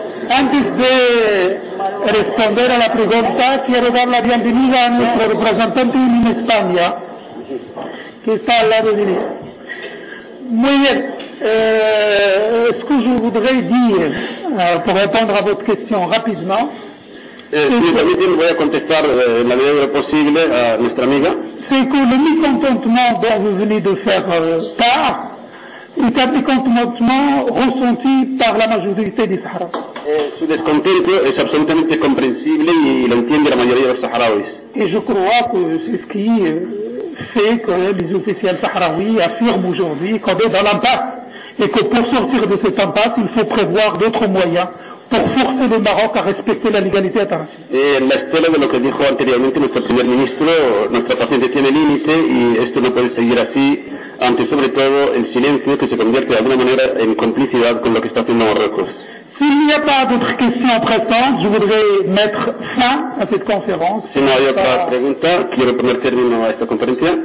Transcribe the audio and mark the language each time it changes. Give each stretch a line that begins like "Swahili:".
Spanish: Antes de responder a la pregunta, quiero dar la bienvenida a nuestro representante en España, que está al lado de mí. Muy bien.
French: Ce que je voudrais dire, pour répondre à votre question rapidement, c'est que le mécontentement dont vous venez de faire part est un mécontentement ressenti par la majorité des Sahraouis.
Spanish: Su descontento es absolutamente comprensible y lo entiende la mayoría de los saharauis.
French: Et je crois que c'est ce qui fait que les officiels saharauis affirment aujourd'hui qu'on est dans l'impasse et que pour sortir de cette impasse, il faut prévoir d'autres moyens pour forcer le Maroc à respecter la légalité internationale.
Spanish: Et la estela de lo que dijo anteriormente nuestro primer ministro, nuestra paciencia tiene límite y esto no puede seguir así, ante sobre todo el silencio que se convierte de alguna manera en complicidad con lo que está haciendo Marruecos.
French: S'il n'y a pas d'autres questions pressantes, je voudrais mettre fin à cette conférence.
Spanish: Si no hay otra pregunta, quiero poner término a esta conferencia.